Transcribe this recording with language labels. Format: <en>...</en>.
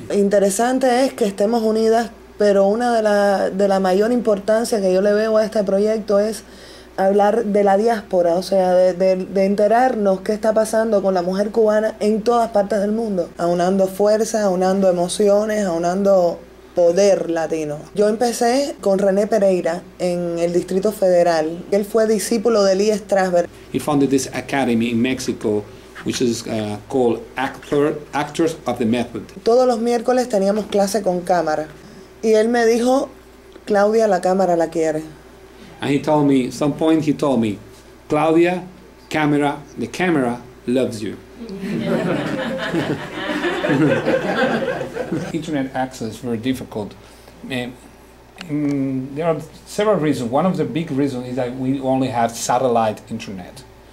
<es>Interesante es que estemos unidas, pero una de la mayor importancia que yo le veo a este proyecto es hablar de la diáspora, o sea, de enterarnos qué está pasando con la mujer cubana en todas partes del mundo, aunando fuerzas, aunando emociones, aunando poder latino. Yo empecé con René Pereira en el Distrito Federal. Él fue discípulo de Lee Strasberg.</es> <en>He founded this academy in Mexico, which is called Actors of the Method.</en> <es>Todos los miércoles teníamos clase con cámara. Y él me dijo, Claudia, la cámara la quiere.</es> <en>And he told me, at some point he told me, Claudia, camera, the camera loves you. Internet access is very difficult. There are several reasons. One of the big reasons is that we only have satellite internet.</en>